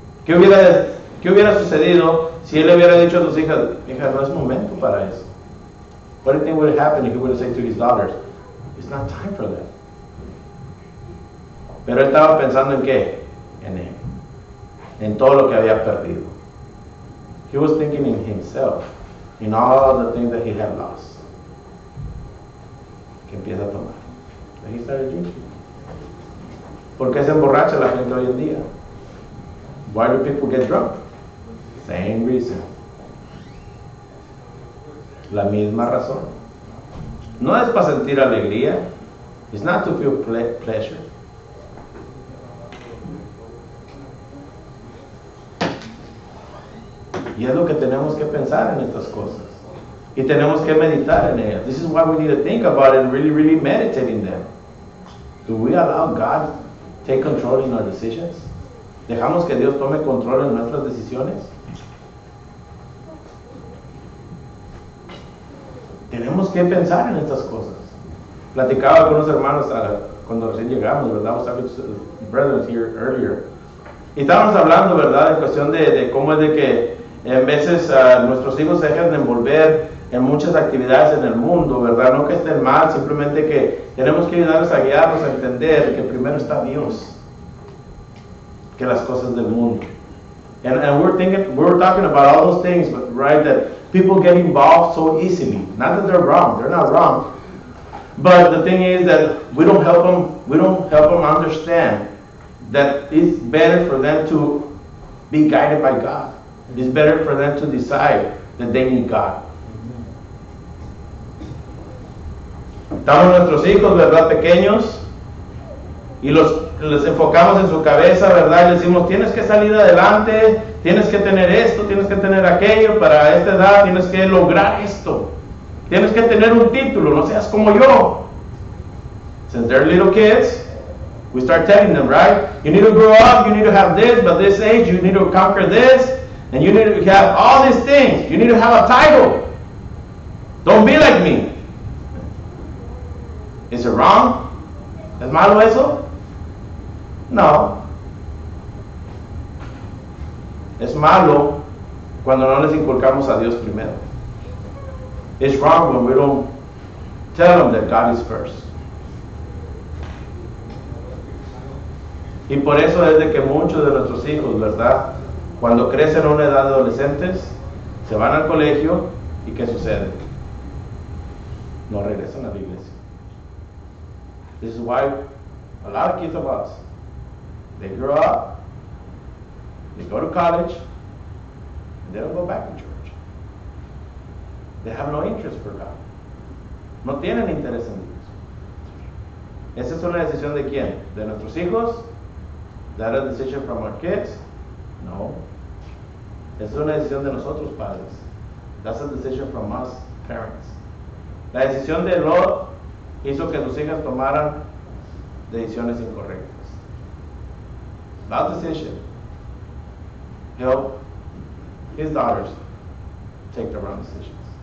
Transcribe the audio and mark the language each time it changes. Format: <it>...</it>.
<es>¿Qué hubiera sucedido si él le hubiera dicho a sus hijas, hijas, no es momento para eso?</es> <en>What do you think would happen if he would have said to his daughters, it's not time for that?</en> <es>Pero él estaba pensando en qué? En él. En todo lo que había perdido.</es> <en>He was thinking in himself, in all the things that he had lost.</en> <es>Que empieza a tomar.</es> <en>And he started drinking.</en> <es>¿Por qué se emborracha la gente hoy en día?</es> <en>Why do people get drunk? Same reason.</en> <es>La misma razón. No es para sentir alegría.</es> <en>It's not to feel pleasure.</en> <es>Y es lo que tenemos que pensar en estas cosas. Y tenemos que meditar en ellas.</es> <en>This is why we need to think about it and really, really meditate in them. Do we allow God to take control in our decisions?</en> <es>¿Dejamos que Dios tome control en nuestras decisiones? Tenemos que pensar en estas cosas. Platicaba con unos hermanos cuando recién llegamos, ¿verdad?</es> <en>I was talking to the brothers here earlier.</en> <es>Y estábamos hablando, ¿verdad? En cuestión de cómo es de que en veces nuestros hijos se dejan de envolver en muchas actividades en el mundo, ¿verdad? No que estén mal, simplemente que tenemos que ayudarles a guiarlos a entender que primero está Dios que las cosas del mundo.</es> <en>And we're talking about all those things, but right, that people get involved so easily. Not that they're wrong, they're not wrong. But the thing is that we don't help them understand that it's better for them to be guided by God. It's better for them to decide that they need God.</en> <es>Estamos nuestros hijos, ¿verdad? Pequeños. Y les enfocamos en su cabeza, ¿verdad? Y les decimos, tienes que salir adelante, tienes que tener esto, tienes que tener aquello, para esta edad tienes que lograr esto. Tienes que tener un título, no seas como yo.</es> <en>Since they're little kids, we start telling them, right? You need to grow up, you need to have this, by this age, you need to conquer this, and you need to have all these things. You need to have a title. Don't be like me. Is it wrong?</en> <es>¿Es malo eso? No. Es malo cuando no les inculcamos a Dios primero.</es> <en>It's wrong when we don't tell them that God is first.</en> <es>Y por eso es de que muchos de nuestros hijos, ¿verdad? Cuando crecen a una edad de adolescentes, se van al colegio y ¿qué sucede? No regresan a la iglesia.</es> <en>This is why a lot of kids of us, they grow up, they go to college, and they don't go back to church. They have no interest for God.</en> <es>No tienen interés en Dios. Esa es una decisión de quién? De nuestros hijos?</es> <en>That a decision from our kids?</en> <es>No. Esa es una decisión de nosotros padres.</es> <en>That's a decision from us parents.</en> <es>La decisión de Lot hizo que sus hijas tomaran decisiones incorrectas.</es> <en>That decision helped his daughters take the wrong decisions.</en>